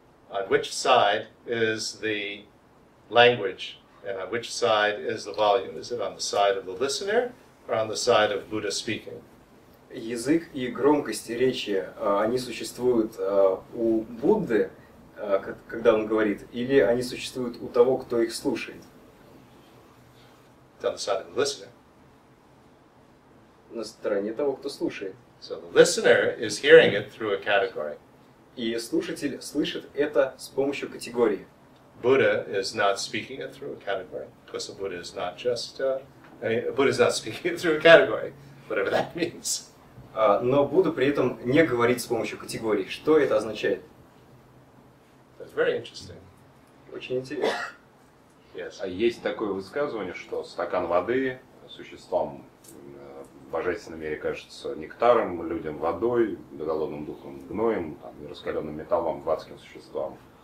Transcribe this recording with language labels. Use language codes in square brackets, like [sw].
[en] On which side is the language, and on which side is the volume? Is it on the side of the listener, or on the side of Buddha speaking? [ru] Язык и громкость речи, они существуют у Будды, когда он говорит, или они существуют у того, кто их слушает? [en] It's on the side of the listener. [ru] На стороне того, кто слушает. [en] So the listener is hearing it through a category. [ru] И слушатель слышит это с помощью категории. [en] Buddha is not speaking it through a category. Because Buddha is not just Buddha is not speaking it through a category, whatever that means. [ru] Но Будда при этом не говорит с помощью категории. Что это означает? [en] That's very interesting. [ru] Очень интересно. [en] Yes. [ru] Есть такое высказывание, что стакан воды существом божественном мире кажется нектаром, людям водой, голодным духом гноем, там, раскаленным металлом, адским существом.